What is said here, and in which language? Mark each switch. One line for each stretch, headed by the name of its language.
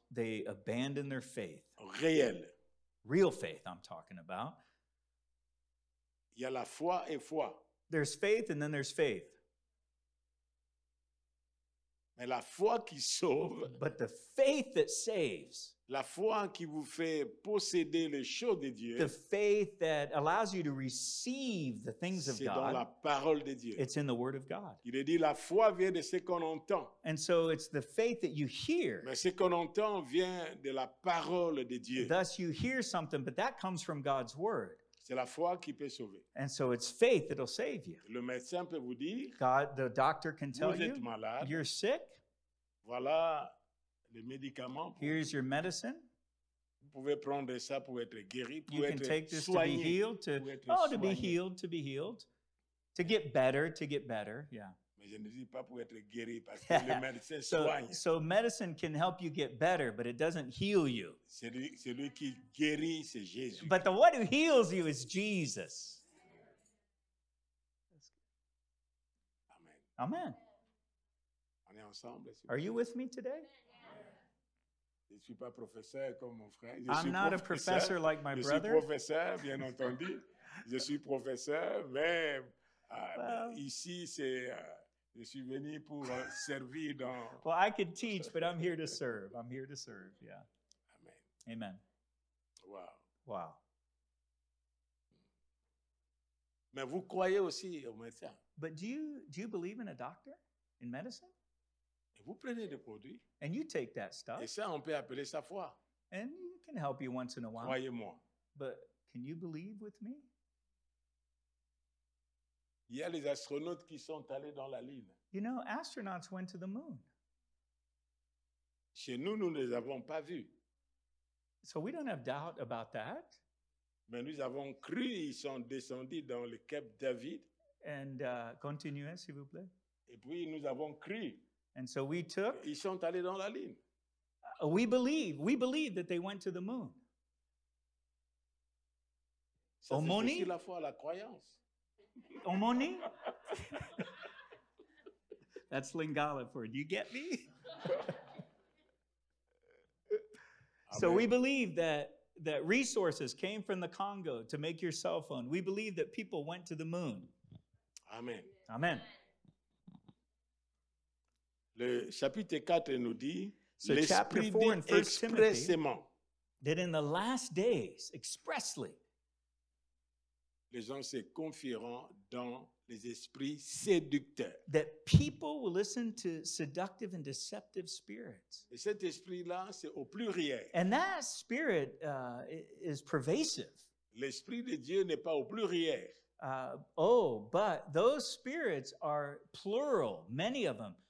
English: They abandon their faith.
French: Réel.
English: Real faith, I'm talking about.
French: Il y a la foi et foi.
English: There's faith and then there's faith.
French: Mais la foi qui sauve,
English: but the faith that saves,
French: la foi qui vous fait posséder les choses de Dieu,
English: the faith that allows you to receive the things of God,
French: c'est dans la parole de Dieu.
English: It's in the word of God.
French: Il est dit, la foi vient de ce qu'on entend.
English: And so it's the faith that you hear.
French: Mais ce qu'on entend vient de la parole de Dieu.
English: Thus you hear something, but that comes from God's word.
French: C'est la foi qui peut sauver.
English: And so it's faith that'll save you.
French: Le médecin peut vous dire,
English: God, the doctor can tell
French: vous êtes
English: you,
French: malade.
English: You're sick.
French: Voilà les médicaments.
English: Here's your medicine.
French: Vous pouvez prendre ça pour être guéri, pour
English: you
French: être
English: can take this
French: soigné,
English: to be healed, to get better, yeah.
French: Mais je ne dis pas pour être guéri, parce que le médecin soigne.
English: So medicine can help you get better, but it doesn't heal you.
French: Celui qui guérit, c'est Jésus.
English: But the one who heals you is Jesus. Amen. Amen.
French: On est ensemble,
English: si are you with me today?
French: Je suis pas professeur comme mon frère.
English: I'm not
French: professeur.
English: A professor like my
French: je
English: brother.
French: Je suis professeur, bien entendu. Je suis professeur, mais ici, c'est... Je suis venu pour servir dans...
English: Well, I can teach, but I'm here to serve. I'm here to serve, yeah. Amen. Amen. Wow. Wow.
French: Mais vous croyez aussi au médecin.
English: But do you believe in a doctor, in medicine?
French: Et vous prenez des produits.
English: And you take that stuff.
French: Et ça, on peut appeler sa foi.
English: And it can help you once in a while.
French: Croyez-moi.
English: But can you believe with me?
French: Il y a les astronautes qui sont allés dans la Lune.
English: You know, astronauts went to the moon.
French: Chez nous, nous ne les avons pas vus.
English: So we don't have doubt about that.
French: Mais nous avons cru, ils sont descendus dans le Cap David.
English: And continue,
French: s'il vous plaît. Et puis, nous avons cru.
English: And so we took.
French: Ils sont allés dans la Lune.
English: We believe that they went to the moon.
French: Ça, c'est Omoni? Aussi la foi, la croyance. Omoni?
English: That's Lingala for it. Do you get me? So we believe that resources came from the Congo to make your cell phone. We believe that people went to the moon. Amen. Amen.
French: Le chapitre 4 nous dit,
English: so
French: l'Esprit
English: chapter 4 in 1
French: expressément.
English: Timothy, that in the last days, expressly,
French: les gens se confieront dans les esprits séducteurs.
English: That people will listen to seductive and deceptive spirits.
French: Et cet esprit-là, c'est au pluriel.
English: And that spirit is pervasive.
French: L'esprit de Dieu n'est pas au pluriel.
English: But those spirits are plural, many of them.